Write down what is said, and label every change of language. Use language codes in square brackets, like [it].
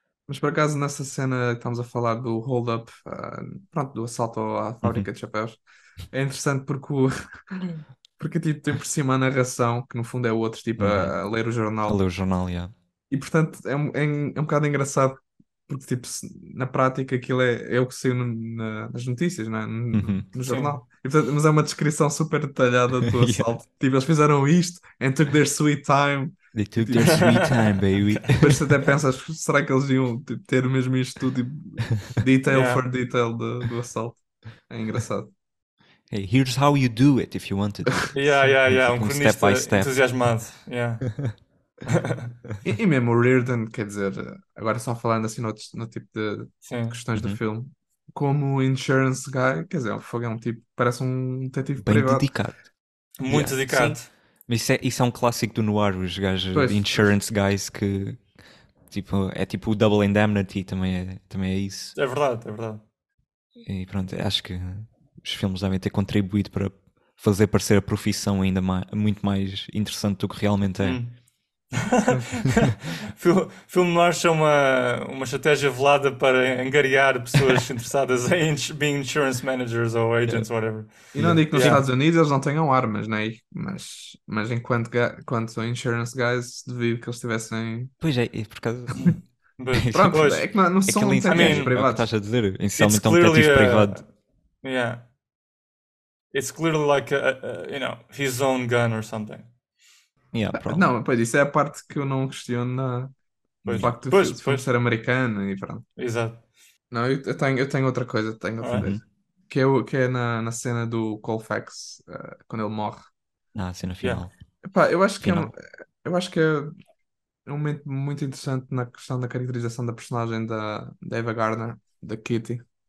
[pt] Mas por acaso, nessa cena que estamos a falar do hold-up, pronto, do assalto à fábrica de chapéus, é interessante porque tipo, tem por cima a narração, que no fundo é o outro, tipo, a ler o jornal. A ler o jornal, já. E portanto, é um bocado engraçado, porque tipo, na prática aquilo é o que saiu nas notícias, não é? No jornal. E, portanto, mas é uma descrição super detalhada do assalto. [en] Yeah. [pt] Tipo, eles fizeram isto, [en] and took their sweet time. They took their sweet time, baby. [pt] Depois até pensas, será que eles iam ter mesmo isto tudo, tipo, [en] detail for detail [pt] do assalto? É engraçado. [en] Hey, here's how you do it if you wanted. [pt] Um cronista entusiasmado. [en] Yeah. [pt] E mesmo o Reardon, quer dizer, agora só falando assim no tipo de questões do filme, como insurance guy, quer dizer, é um tipo, parece um detetive bem privado. Dedicado. Muito dedicado. Sim. Mas isso é um clássico do noir, os gajos de insurance guys, que tipo, é tipo o Double Indemnity, também é isso. É verdade, é verdade. E pronto, acho que os filmes devem ter contribuído para fazer parecer a profissão ainda muito mais interessante do que realmente é. Filme noir é uma estratégia velada para angariar pessoas interessadas em [en] being insurance managers [pt] ou [en] agents, whatever. [pt] E não digo que nos Estados Unidos eles não tenham armas, né? Mas enquanto insurance guys, devido que eles tivessem. Pois é, por causa. Pronto, pois, é que não são detetives privados. O que estás a dizer? Inicialmente é um detetive privado. [en] Yeah. It's clearly like, his own gun or something. Yeah, [pt] não, pois isso é a parte que eu não questiono o facto de filme ser americano e pronto. Exato. Não, eu tenho outra coisa que tenho a fazer. Que é na cena do Colfax, quando ele morre. Ah, a cena final. Epá, eu acho que é um momento muito interessante na questão da caracterização da personagem da Eva Gardner, da Kitty.